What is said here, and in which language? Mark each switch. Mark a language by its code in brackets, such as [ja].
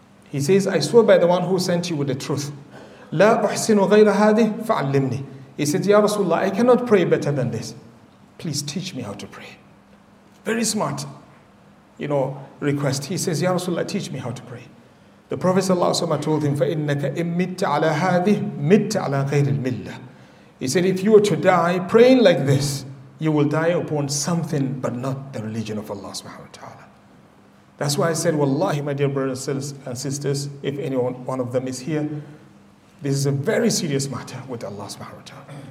[en] He says, I swear by the one who sent you with the truth. [ar] لَا أُحْسِنُ غَيْرَ هَذِهِ فَعَلِّمْنِي. [en] He said, Ya Rasulullah, I cannot pray better than this. Please teach me how to pray. Very smart, you know, request. He says, Ya Rasulullah, teach me how to pray. The Prophet ﷺ told him, [ar] فَإِنَّكَ إِمِّتَّ عَلَى هَذِهِ مِتَّ عَلَى غَيْرِ الْمِلَّةِ. [en] He said, if you were to die praying like this, you will die upon something but not the religion of Allah subhanahu wa ta'ala. That's why I said, wallahi, my dear brothers and sisters, if anyone one of them is here, this is a very serious matter with Allah subhanahu wa ta'ala.